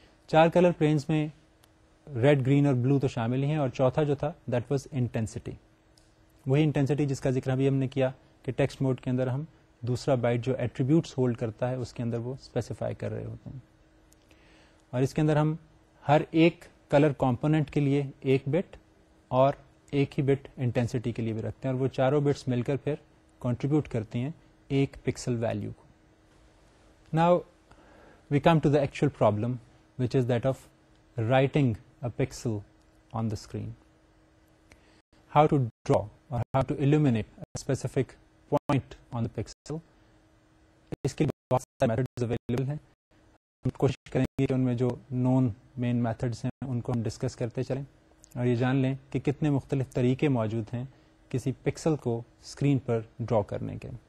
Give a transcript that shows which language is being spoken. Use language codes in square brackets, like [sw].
[ur] چار colour planes میں red green اور بلو تو شامل ہی ہیں, اور چوتھا جو تھا [en] that was intensity, [ur] وہی انٹینسٹی جس کا ذکر ابھی ہم نے کیا کہ ٹیکسٹ موڈ کے اندر ہم دوسرا بائٹ جو ایٹریبیوٹس ہولڈ کرتا ہے اس کے اندر وہ اسپیسیفائی کر رہے ہوتے ہیں, اور اس کے اندر ہم ہر ایک کلر کمپوننٹ کے لیے ایک بٹ اور ایک ہی بٹ انٹینسٹی کے لیے بھی رکھتے ہیں, اور وہ چاروں بٹس مل کر پھر کنٹریبیوٹ کرتی ہیں ایک پکسل ویلیو کو. [en] Now we come to the actual problem which is that of writing a pixel on the screen. How to draw or how to illuminate specific point on the pixel, [ur] اس کے لیے بہت سارے methods available ہیں. کوشش کریں گے کہ ان میں جو نون مین میتھڈز ہیں ان کو ہم ڈسکس کرتے چلیں, اور یہ جان لیں کہ کتنے مختلف طریقے موجود ہیں کسی پکسل کو اسکرین پر ڈرا کرنے کے.